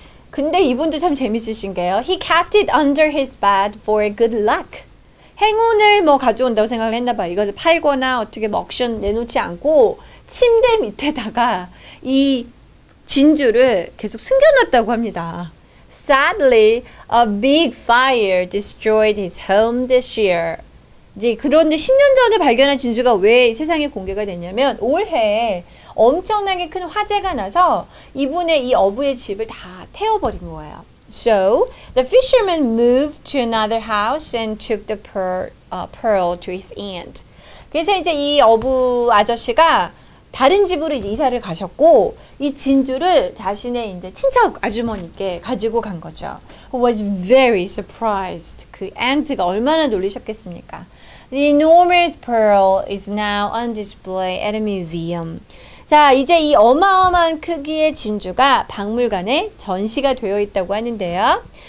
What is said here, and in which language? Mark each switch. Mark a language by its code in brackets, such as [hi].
[ko] 근데 이분도 참 재밌으신 게요. [en] He kept it under his bed for good luck. [ko] 행운을 뭐 가져온다고 생각을 했나 봐요. 이걸 팔거나 어떻게 뭐 옥션 내놓지 않고 침대 밑에다가 이 진주를 계속 숨겨놨다고 합니다. [en] Sadly, a big fire destroyed his home this year. [ko] 이제 그런데 10년 전에 발견한 진주가 왜 세상에 공개가 됐냐면 올해 엄청나게 큰 화재가 나서 이분의 이 어부의 집을 다 태워버린 거예요. [en] So the fisherman moved to another house and took the pearl to his aunt. [ko] 그래서 이제 이 어부 아저씨가 다른 집으로 이제 이사를 가셨고 이 진주를 자신의 이제 친척 아주머니께 가지고 간 거죠. [en] Who was very surprised. [ko] 그 aunt가 얼마나 놀리셨겠습니까? [en] The enormous pearl is now on display at a museum. [ko] 자, 이제 이 어마어마한 크기의 진주가 박물관에 전시가 되어 있다고 하는데요.